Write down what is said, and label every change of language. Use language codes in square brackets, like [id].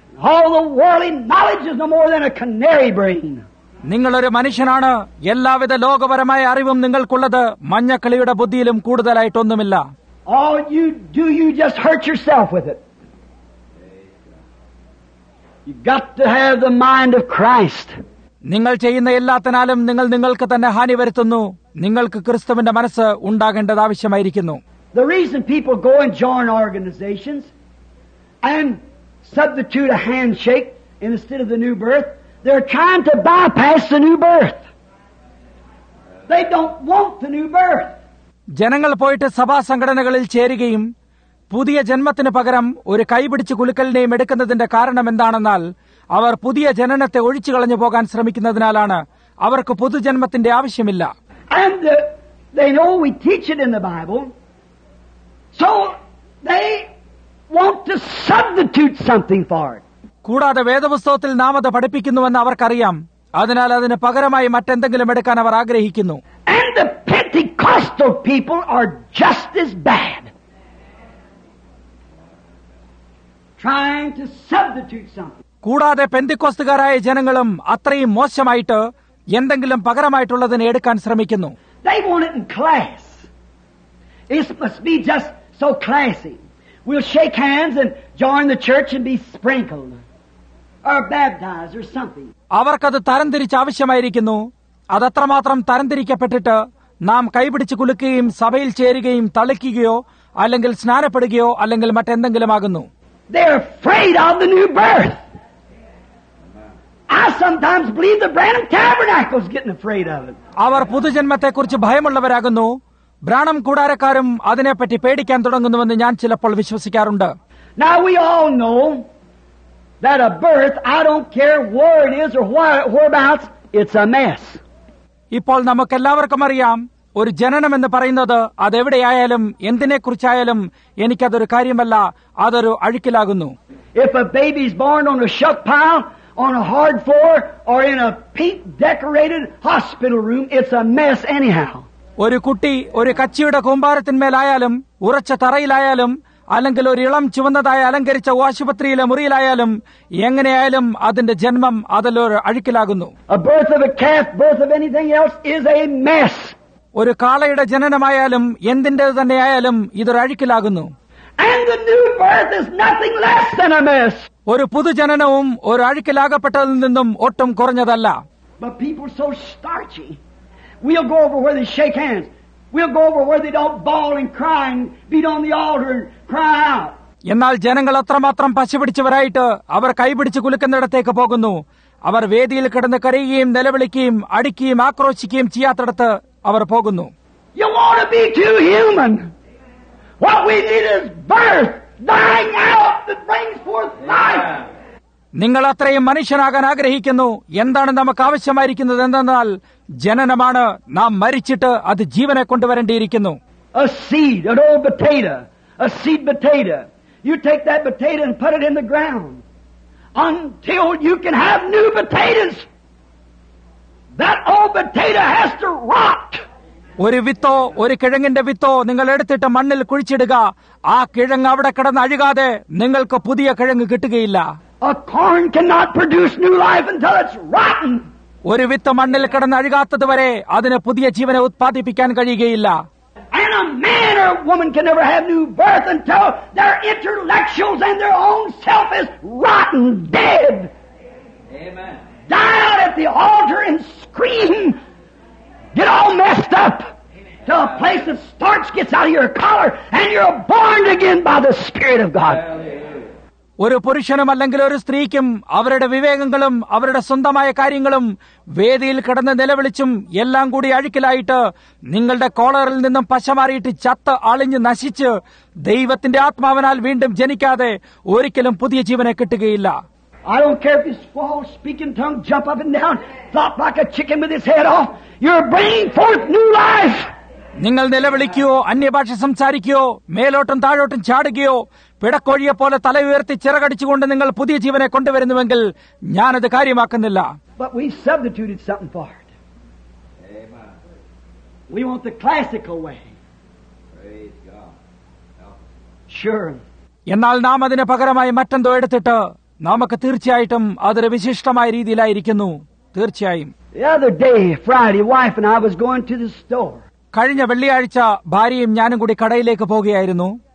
[en] All the worldly knowledge is no more than a canary brain. [ml] നിങ്ങളൊരു മനുഷ്യനാണ്. എല്ലാവിധ ലോകപരമായ അറിവും നിങ്ങൾക്കുള്ളത് മഞ്ഞക്കിളിയുടെ ബുദ്ധിയിലും കൂടുതലായിട്ടൊന്നുമില്ല. [en] All you do, you just hurt yourself with it. You've got to have the mind of Christ. [ml] നിങ്ങൾ ചെയ്യുന്ന എല്ലാത്തിനാലും നിങ്ങൾ നിങ്ങൾക്ക് തന്നെ ഹാനി വരുത്തുന്നു. നിങ്ങൾക്ക് ക്രിസ്തുവിന്റെ മനസ്സ് ഉണ്ടാകേണ്ടത് ആവശ്യമായിരിക്കുന്നു. [en] The reason people go and join organizations and substitute a handshake instead of the new birth, they're trying to bypass the new birth. They don't want the new birth. [ml] ജനങ്ങൾ പോയിട്ട് സഭാ സംഘടനകളിൽ ചേരുകയും പുതിയ ജന്മത്തിന് പകരം ഒരു കൈപിടിച്ച് കുലുക്കലിനെയും എടുക്കുന്നതിന്റെ കാരണം എന്താണെന്നാൽ അവർ പുതിയ ജനനത്തെ ഒഴിച്ചു കളഞ്ഞു പോകാൻ ശ്രമിക്കുന്നതിനാലാണ്. അവർക്ക് പുതുജന്മത്തിന്റെ ആവശ്യമില്ല. [en] And they know we teach it in the Bible, so they want to substitute something for it. [ml] കൂടാതെ വേദപുസ്തകത്തിൽ നാം അത് പഠിപ്പിക്കുന്നുവെന്ന് അവർക്കറിയാം. അതിനാൽ അതിന് പകരമായി മറ്റെന്തെങ്കിലും എടുക്കാൻ അവർ ആഗ്രഹിക്കുന്നു. [en] And the Pentecostal people are just as bad, trying to substitute something. [ml] കൂടാതെ പെന്തിക്കോസ്തുകാരായ ജനങ്ങളും അത്രയും മോശമായിട്ട് എന്തെങ്കിലും പകരമായിട്ടുള്ളതിനെ എടുക്കാൻ ശ്രമിക്കുന്നു. [en] They want it in class. It must be just so classy. We'll shake hands and join the church and be sprinkled or baptized or something. [ml] അവർക്കത് തരംതിരിച്ച് ആവശ്യമായിരിക്കുന്നു. അതത്രമാത്രം തരംതിരിക്കപ്പെട്ടിട്ട് നാം കൈപിടിച്ച് കുലുക്കുകയും സഭയിൽ ചേരുകയും തളിക്കുകയോ അല്ലെങ്കിൽ സ്നാനപ്പെടുകയോ അല്ലെങ്കിൽ മറ്റെന്തെങ്കിലും ആകുന്നു. [en] They're afraid of the new birth. I sometimes believe the Branham Tabernacle's getting afraid of it. [ml] അവർ പുതുജന്മത്തെ കുറിച്ച് ഭയമുള്ളവരാകുന്നു. ബ്രാണം കൂടാരക്കാരും അതിനെപ്പറ്റി പേടിക്കാൻ തുടങ്ങുന്നുവെന്ന് ഞാൻ ചിലപ്പോൾ വിശ്വസിക്കാറുണ്ട്. [en] Now we all know that a birth, I don't care where it is or whereabouts, it's a mess. [ml] ഇപ്പോൾ നമുക്കെല്ലാവർക്കും അറിയാം ഒരു ജനനം എന്ന് പറയുന്നത് അതെവിടെയായാലും എന്തിനെ കുറിച്ചായാലും എനിക്കതൊരു കാര്യമല്ല, അതൊരു അഴുക്കിലാകുന്നു. [en] If a baby is born on a shuck pile, on a hard floor, or in a paint-decorated hospital room, it's a mess anyhow. [ml] ഒരു കുട്ടി ഒരു കച്ചിയുടെ കൂമ്പാരത്തിന്മേലായാലും ഉറച്ച തറയിലായാലും അല്ലെങ്കിൽ ഒരു ഇളം ചുവന്നതായ അലങ്കരിച്ച ആശുപത്രിയിലെ മുറിയിലായാലും എങ്ങനെയായാലും അതിന്റെ ജന്മം അതിലൊരു അഴുക്കിലാകുന്നു. [en] A birth of a calf, birth of anything else is a mess. [ml] ഒരു കാളയുടെ ജനനമായാലും എന്തിന്റെ തന്നെയായാലും ഇതൊരു അഴുക്കിലാകുന്നു. [en] And the new birth is nothing less than a mess. [ml] ഒരു പുതുജനനവും ഒരു അഴുക്കിലാകപ്പെട്ടതിൽ നിന്നും ഒട്ടും കുറഞ്ഞതല്ല. [en] But people are so starchy. We'll go over where they shake hands. We'll go over where they don't bawl and cry and beat on the altar and cry out. [ml] എന്നാൽ ജനങ്ങൾ അത്രമാത്രം പശിപിടിച്ചവരായിട്ട് അവർ കൈപിടിച്ച് കുലുക്കുന്നിടത്തേക്ക് പോകുന്നു. അവർ വേദിയിൽ കിടന്ന് കരയുകയും നിലവിളിക്കുകയും അടിക്കുകയും ആക്രോശിക്കുകയും ചെയ്യാത്തിടത്ത് അവർ പോകുന്നു. [en] You want to be too human. What we need is birth, dying out that brings forth life. [ml] നിങ്ങൾ അത്രയും മനുഷ്യനാകാൻ ആഗ്രഹിക്കുന്നു, എന്താണ് നമുക്ക് ആവശ്യമായിരിക്കുന്നത് എന്തെന്നാൽ ജനനമാണ്. നാം മരിച്ചിട്ട് അത് ജീവനെ കൊണ്ടുവരേണ്ടിയിരിക്കുന്നു. [en] A seed, an old potato, a seed potato. You take that potato and put it in the ground until you can have new potatoes. That old potato has to rot. [ml] ഒരു വിത്തോ ഒരു കിഴങ്ങിന്റെ വിത്തോ നിങ്ങൾ എടുത്തിട്ട് മണ്ണിൽ കുഴിച്ചിടുക, ആ കിഴങ്ങ് അവിടെ കിടന്ന് അഴുകാതെ നിങ്ങൾക്ക് പുതിയ കിഴങ്ങ് കിട്ടുകയില്ല. [en] A corn cannot produce new life until it's rotten. [ml] ഒരു വിത്ത് മണ്ണിൽ കിടന്ന് അഴുകാത്തതുവരെ അതിന് പുതിയ ജീവനെ ഉത്പാദിപ്പിക്കാൻ കഴിയുകയില്ല. [en] And a man or a woman can never have new birth until their intellectuals and their own self is rotten, dead. Amen. Die out at the altar and scream. Get all messed up. Amen. To a place of starch gets out of your collar and you're born again by the Spirit of God. [ml] ഒരു പുരുഷനും അല്ലെങ്കിൽ ഒരു സ്ത്രീക്കും അവരുടെ വിവേകങ്ങളും അവരുടെ സ്വന്തമായ കാര്യങ്ങളും വേദിയിൽ കിടന്ന് നിലവിളിച്ചും എല്ലാം കൂടി അഴുക്കിലായിട്ട് നിങ്ങളുടെ കോളറിൽ നിന്നും പശമാറിയിട്ട് ചത്ത് അളിഞ്ഞ് നശിച്ച് ദൈവത്തിന്റെ ആത്മാവിനാൽ വീണ്ടും ജനിക്കാതെ ഒരിക്കലും പുതിയ ജീവനെ കിട്ടുകയില്ല. [en] I don't care if you squall, speak in tongues, jump up and down, flop like a chicken with his head off. You're bringing forth new life. [ml] നിങ്ങൾ നിലവിളിക്കുകയോ അന്യഭാഷ സംസാരിക്കുകയോ മേലോട്ടും താഴോട്ടും ചാടുകയോ പിടക്കോഴിയെ പോലെ തല ഉയർത്തി ചിറകടിച്ചുകൊണ്ട് നിങ്ങൾ പുതിയ ജീവനെ കൊണ്ടുവരുന്നുവെങ്കിൽ ഞാനത് കാര്യമാക്കുന്നില്ല. [en] But we substituted something for it. Amen. We want the classical way. Praise God. Sure. [ml] എന്നാൽ നാം അതിന് പകരമായി മറ്റെന്തോ എടുത്തിട്ട് നമുക്ക് തീർച്ചയായിട്ടും അതൊരു വിശിഷ്ടമായ രീതിയിലായിരിക്കുന്നു. തീർച്ചയായും. [en] The other day, Friday, wife and I was going to the store. [ml] കഴിഞ്ഞ വെള്ളിയാഴ്ച ഭാര്യയും ഞാനും കൂടി കടയിലേക്ക് പോവുകയായിരുന്നു.